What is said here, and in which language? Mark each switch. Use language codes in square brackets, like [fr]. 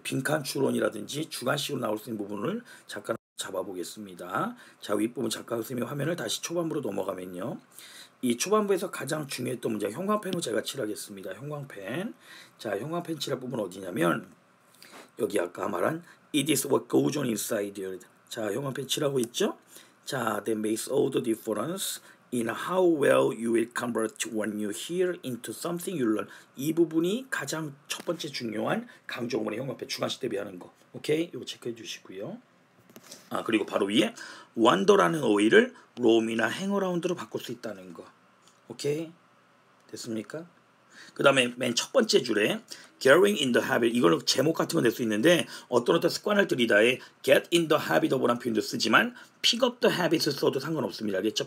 [ko] 빈칸 추론이라든지 주관식으로 나올 수 있는 부분을 잠깐 잡아보겠습니다. 자, 윗부분 작가 선생님의 화면을 다시 초반부로 넘어가면요. 이 초반부에서 가장 중요했던 문제 형광펜으로 제가 칠하겠습니다. 형광펜. 자, 형광펜 칠할 부분 어디냐면 여기 아까 말한 [en] It is what goes on inside you. [ko] 자, 형광펜 칠하고 있죠? [en] 자, that makes all the difference in how well you will convert when you hear into something you learn. [ko] 이 부분이 가장 첫 번째 중요한 강조문의 형광펜 주관식 대비하는 거. 오케이? 이거 체크해 주시고요. 아 그리고 바로 위에 wonder라는 어휘를 roam이나 hang around로 바꿀 수 있다는 거 오케이? 됐습니까? 그 다음에 맨 첫 번째 줄에 [en] getting in the habit [ko] 이걸 제목 같은 건 될 수 있는데 어떤 습관을 들이다에 get in the habit of라는 표현도 쓰지만 [en] pick up the habit [ko] 을 써도 상관없습니다. 알겠죠?